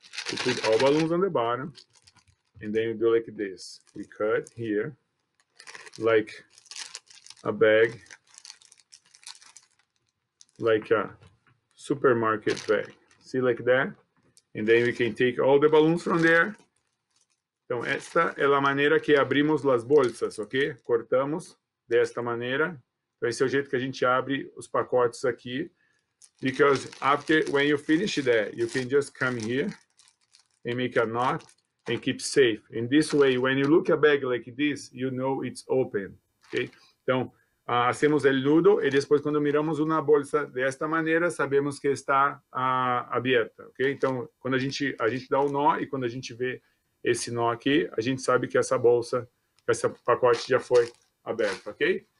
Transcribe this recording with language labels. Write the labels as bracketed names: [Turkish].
[English] We put all balloons on the bottom, and then we do like this. We cut here, like a bag like a supermarket bag. See like that? And then we can take all the balloons from there. [Portuguese] Então, esta é a maneira que abrimos as bolsas, ok? Cortamos desta maneira. Então, esse é o jeito que a gente abre os pacotes aqui. [English] Because after, when you finish that, you can just come here and make a knot and keep safe. In this way, when you look a bag like this, you know it's open, ok? [Portuguese] Então, [Spanish] hacemos el nudo [Portuguese] e depois, quando miramos uma bolsa desta maneira, sabemos que está aberta, ok? Então, quando a gente dá o nó e quando a gente vê esse nó aqui, a gente sabe que essa bolsa, que esse pacote já foi aberto, ok?